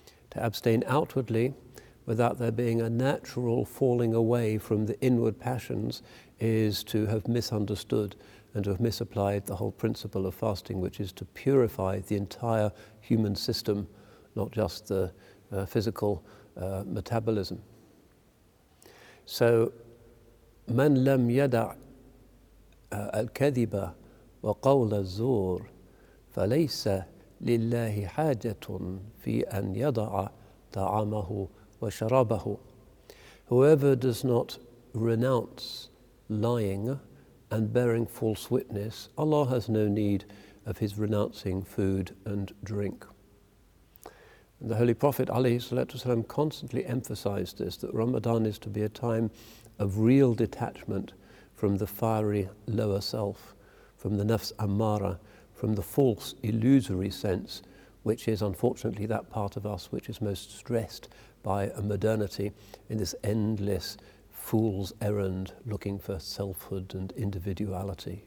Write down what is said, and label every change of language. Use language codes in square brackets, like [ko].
[en] To abstain outwardly without there being a natural falling away from the inward passions is to have misunderstood and to have misapplied the whole principle of fasting, which is to purify the entire human system, not just the physical metabolism. [ar] So, من لم يدع الكذب وقول الزور فليس لله حاجة في أن يدع طعامه وشرابه. [en] Whoever does not renounce lying and bearing false witness, Allah has no need of his renouncing food and drink. The Holy Prophet ﷺ constantly emphasized this, that Ramadan is to be a time of real detachment from the fiery lower self, from the nafs ammara, from the false illusory sense, which is unfortunately that part of us which is most stressed by a modernity in this endless fool's errand looking for selfhood and individuality.